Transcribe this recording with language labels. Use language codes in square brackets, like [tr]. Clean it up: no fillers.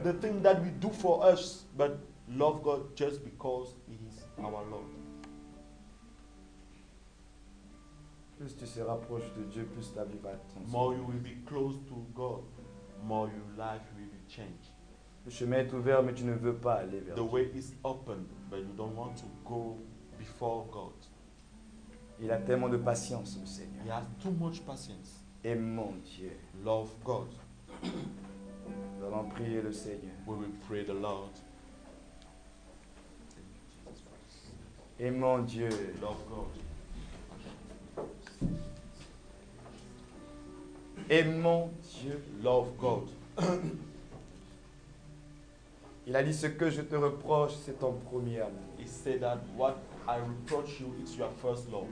[en] Not the thing that we do for us, but love God just because He is our Lord. [fr] Plus tu seras proche de Dieu, plus ta vie va être transformée. [en] More you will be close to God, more your life will be changed. [fr] Le chemin est ouvert, mais tu ne veux pas aller vers [en] the [fr] Dieu. [en] The way is open, but you don't want to go before God. [fr] Il a tellement de patience, le Seigneur. [en] He has too much patience. [fr] Aimons Dieu. [en] Love God. [fr] Nous allons prier le Seigneur. [en] We will pray the Lord. [fr] Aimons Dieu. [en] Love God. [fr] Aimons Dieu. [en] Love God. [fr] Il a dit ce que je te reproche, c'est ton premier amour. [en] He said that what I reproach you is your first love.